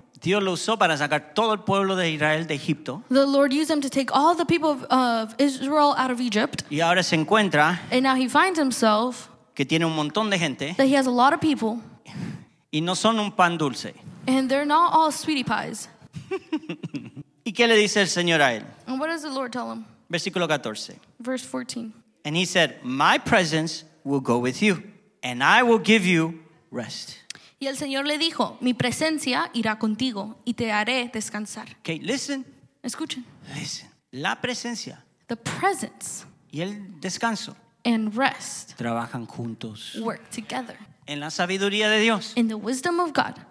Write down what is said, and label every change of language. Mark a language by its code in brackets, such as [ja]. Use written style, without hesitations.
[es] Dios lo usó para sacar todo el pueblo de Israel de Egipto. [en] The Lord used him to take all the people of Israel out of Egypt. [es] Y ahora se encuentra. [en] And now he finds himself. [es] Que tiene un montón de gente. [en] That he has a lot of people. [es] Y no son un pan dulce. [en] And they're not all sweetie pies. [es] ¿Y qué le dice el Señor a él? [en] And what does the Lord tell him? [es] Versículo 14. [en] Verse 14. And he said, my presence will go with you, and I will give you rest. [es] Y el Señor le dijo, mi presencia irá contigo, y te haré descansar. [en] Okay, listen. [es] Escuchen. [en] Listen. [es] La presencia. [en] The presence. [es] Y el descanso. [en] And rest. [es] Trabajan juntos. [en] Work together. [es] En la sabiduría de Dios. [en] In the wisdom of God.